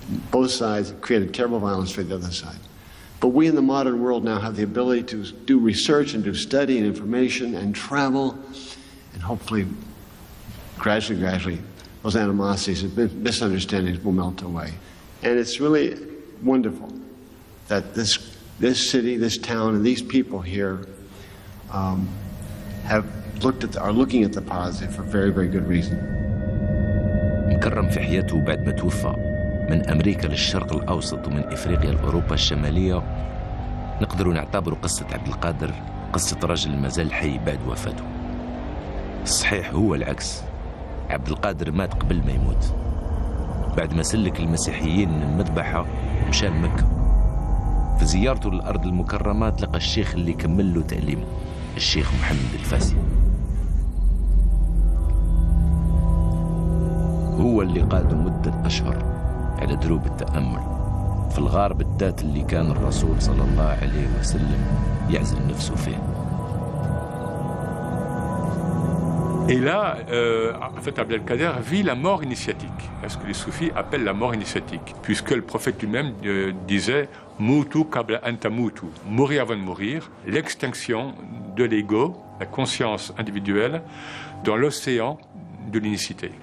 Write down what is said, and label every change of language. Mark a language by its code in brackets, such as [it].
[en] Both sides created terrible violence for the other side. But we in the modern world now have the ability to do research and do study and information and travel, and hopefully, gradually, those animosities and misunderstandings will melt away. And it's really wonderful that this city, this town, and these people here are looking at the positive for very, very good reason. [ar] كرم في حياته بعد ما توفى من أمريكا للشرق الأوسط ومن إفريقيا لأوروبا الشمالية نقدروا نعتبروا قصة عبد القادر قصة رجل مازال حي بعد وفاته. الصحيح هو العكس، عبد القادر مات قبل ما يموت، بعد ما سلك المسيحيين من المذبحة مشى مكة. في زيارته للأرض المكرمة تلقى الشيخ اللي كمل له تعليمه، الشيخ محمد الفاسي. هو اللي قاد مدة أشهر على دروب التأمل في الغار بالذات اللي كان الرسول صلى الله عليه وسلم يعزل نفسه فيه. [fr] Et là, en fait, Abd al-Kader vit la mort initiatique, ce que les soufis appellent la mort initiatique, puisque le prophète lui-même disait « [ar] Moutou kabla anta moutou [fr] », mourir avant de mourir, l'extinction de l'ego, la conscience individuelle, dans l'océan de l'unicité.